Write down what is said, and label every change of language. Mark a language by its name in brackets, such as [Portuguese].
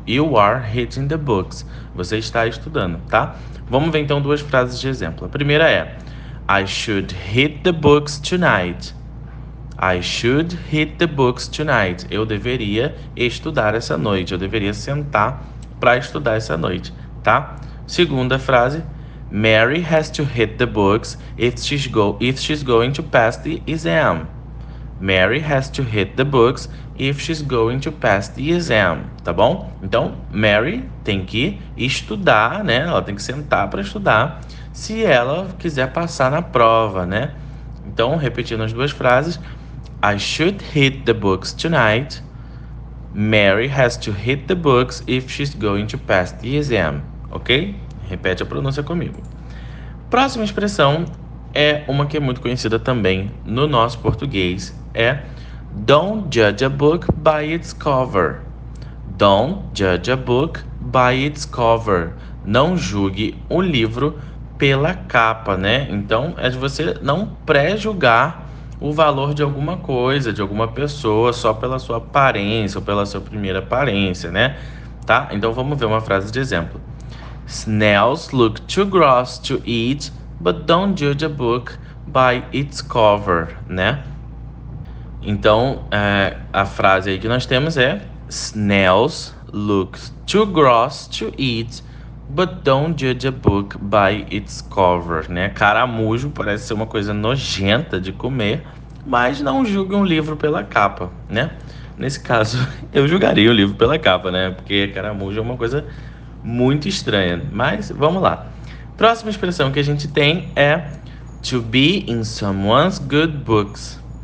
[English] You are hitting the books. [Portuguese] Você está estudando, tá? Vamos ver então duas frases de exemplo. A primeira é: [English] I should hit the books tonight. I should hit the books tonight. [Portuguese] Eu deveria estudar essa noite. Eu deveria sentar para estudar essa noite, tá? Segunda frase: [English] Mary has to hit the books if she's going to pass the exam. Mary has to hit the books if she's going to pass the exam, tá bom? [Portuguese] Então, Mary tem que estudar, né? Ela tem que sentar para estudar se ela quiser passar na prova, né? Então, repetindo as duas frases: [English] I should hit the books tonight. Mary has to hit the books if she's going to pass the exam. [Portuguese] Ok? Repete a pronúncia comigo. Próxima expressão é uma que é muito conhecida também no nosso português. [English] É: Don't judge a book by its cover. Don't judge a book by its cover. [Portuguese] Não julgue um livro pela capa, né? Então, é de você não pré-julgar o valor de alguma coisa, de alguma pessoa, só pela sua aparência ou pela sua primeira aparência, né? Tá? Então vamos ver uma frase de exemplo. [English] Snails look too gross to eat, but don't judge a book by its cover, né? [Portuguese] Então, a frase aí que nós temos é: [English] Snails look too gross to eat, But don't judge a book by its cover, né? [Portuguese] Caramujo parece ser uma coisa nojenta de comer, mas não julgue um livro pela capa, né? Nesse caso, eu julgaria o livro pela capa, né? Porque caramujo é uma coisa muito estranha. Mas vamos lá. Próxima expressão que a gente tem é [English] to be in someone's good books.